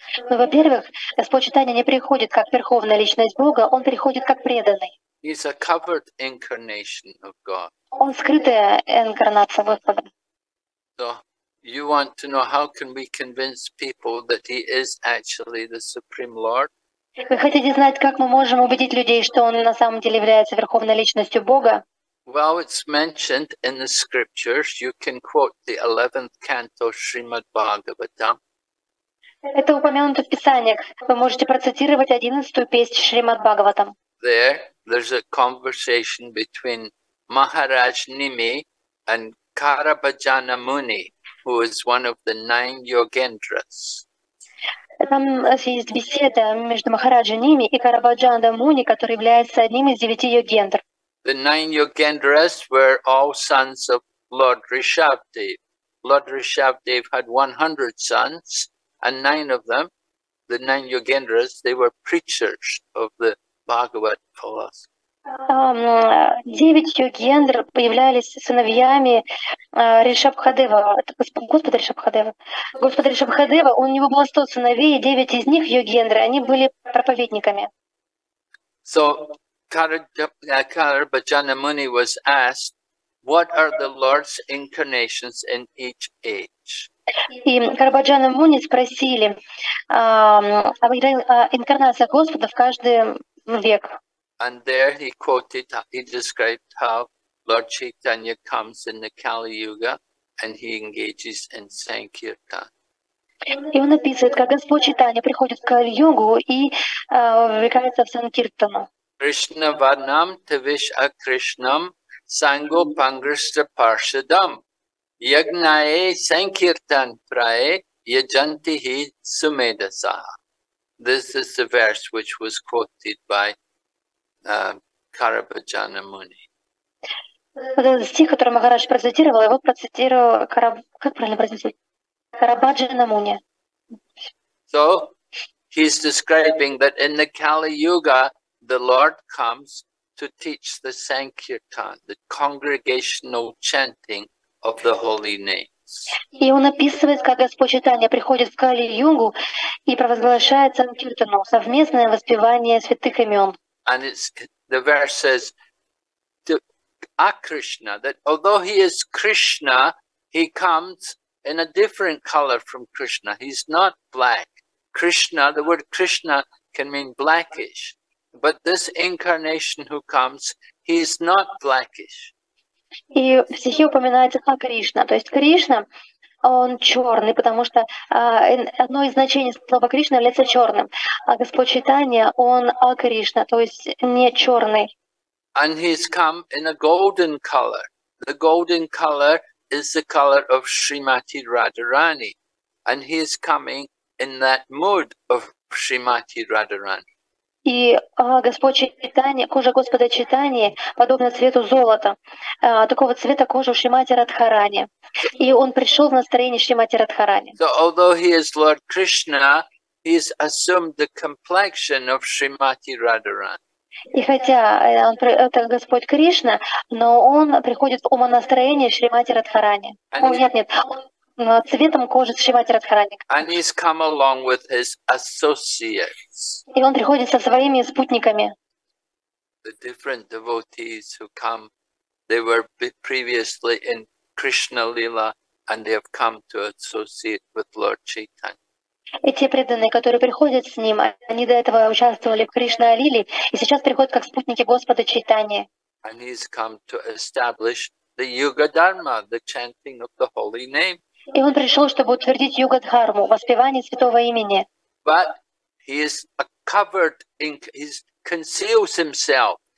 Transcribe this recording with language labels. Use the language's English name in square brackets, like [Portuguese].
[Russian] Ну, во-первых, Господь Чайтанья не приходит как верховная личность Бога, он приходит как преданный. [English] He's a covered incarnation of God. [Russian] Он скрытая инкарнация Господа. [English] So you want to know how can we convince people that he is actually the supreme Lord? [Russian] Вы хотите знать, как мы можем убедить людей, что он на самом деле является верховной личностью Бога? [English] Well, it's mentioned in the scriptures. You can quote the 11th canto Srimad Bhagavatam. [Russian] Это упомянуто в Писаниях. Вы можете процитировать 11-ю песню Шримад Бхагаватам. [English] There, there's a conversation between Maharaj Nimi and Karabhajana Muni, who is one of the 9 Yogendras. [Russian] Там есть беседа между Махараджа Ними и Карабаджана Муни, который является одним из 9 Йогендр. [English] The 9 Yogendras were all sons of Lord Rishabhdev. Lord Rishabhdev had 100 sons. And 9 of them, the 9 Yogendras, they were preachers of the Bhagavad philosophy. [Russian] 9 Yogendr являлись сыновьями Ришабхадева, Господа Ришабхадева. Господа Ришабхадева, у него было 100 сыновей, и 9 из них Йогендры, они были проповедниками. [English] So, Karabhajana Muni was asked, what are the Lord's incarnations in each age? [Russian] И Карабаджана Муни спросили о инкарнациях Господа в каждый век. [English] And there he quoted, he described how Lord Chaitanya comes in the Kali Yuga and he engages in Sankirtan. [Russian] И он описывает, как Господь Чайтанья приходит в Кали-Югу и вовлекается в Санкиртану. [Sanskrit] Кришна Варнам Тавиш Акришнам Санго Пангрсра Паршадам. Ягнае Санкиртан Прае Яджантихи Сумедаса. [English] This is the verse which was quoted by Карабаджана Муни. [Russian] Стих, который Махарадж процитировал, его процитировал Карабаджана Муни. [English] So he's describing that in the Kali Yuga the Lord comes to teach the Sankirtan, the congregational chanting of the holy names. [Russian] И он описывает, как Господь Читания приходит в Кали-Югу и провозглашает Санкиртану, совместное воспевание святых имен. [English] And it's, the verse says to Akrishna, that although he is Krishna, he comes in a different color from Krishna. He's not black. Krishna, the word Krishna can mean blackish. But this incarnation who comes, he is not blackish. [Russian] И в стихе упоминается о Кришна. То есть Кришна, он черный, потому что одно из значений слова Кришна является черным. А Господь Чайтанья, он о Кришна, то есть не черный. [English] And he's come in a golden color. The golden color is the color of Srimati Radharani. And he is coming in that mood of Srimati Radharani. [Russian] И Господь Чайтанья, кожа Господа Чайтаньи подобна цвету золота, такого цвета кожи Шримати Радхарани. И он пришел в настроение Шримати Радхарани. [English] So, although he is Lord Krishna, he has assumed the complexion of Shrimati Radharani. [Russian] И хотя он, это Господь Кришна, но он приходит в умонастроение Шримати Радхарани. Он цветом кожи Шримати Радхарани. [English] And he's come along with his associates. [Russian] И он приходит со своими спутниками. [English] The different devotees who come, they were previously in Krishna Lila, and they have come to associate with Lord Chaitanya. [Russian] Эти преданные, которые приходят с ним, они до этого участвовали в Кришна Лиле, и сейчас приходят как спутники Господа Чайтаньи. [English] And he's come to establish the Yuga Dharma, the chanting of the holy name. [Russian] И он пришел, чтобы утвердить Юга Дхарму, воспевание святого имени. [English] But he is covered in, he conceals himself.